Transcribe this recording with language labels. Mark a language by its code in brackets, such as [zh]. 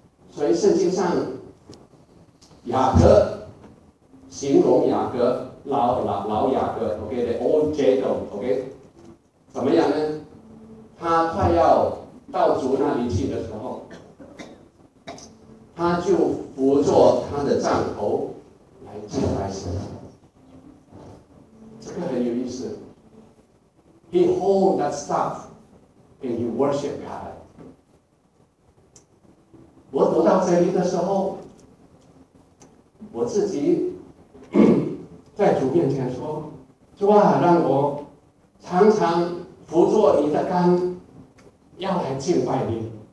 [zh] 所以圣经上雅各形容雅各老雅各 ，OK， [en] the old Jacob， [zh] OK， 怎么样呢？他快要到主那里去的时候，他就扶着他的杖头来敬拜神。这个很有意思。 [en] He hold that staff and he worship God。 [zh] 我读到这里的时候，我自己。在主面前说，主啊，让我常常扶着你的肝要来敬拜你。